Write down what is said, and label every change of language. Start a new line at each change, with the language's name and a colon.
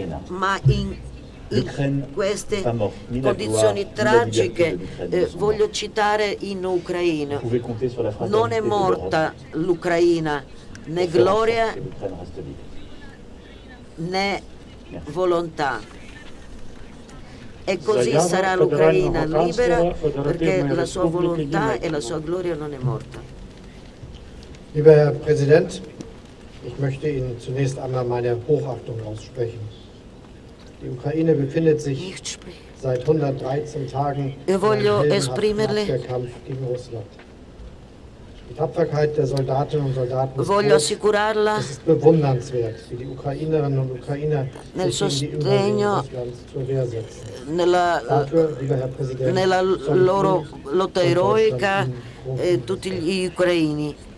Italian: Ma in queste condizioni tragiche, voglio citare in Ucraina: non è morta l'Ucraina, né gloria né volontà. E così sarà l'Ucraina libera, perché la sua volontà e la sua gloria non è morta.
German: Lieber Herr Präsident, ich möchte Ihnen zunächst einmal meine Hochachtung aussprechen. Die Ukraine befindet sich seit 113 Tagen in einem Kampf gegen Russland. Die Tapferkeit der Soldatinnen und Soldaten ist bewundernswert, wie die Ukrainerinnen und Ukrainer sich gegen die Invasion Russlands zur Wehr setzen.
Italian: Nella loro lotta eroica e tutti gli ucraini.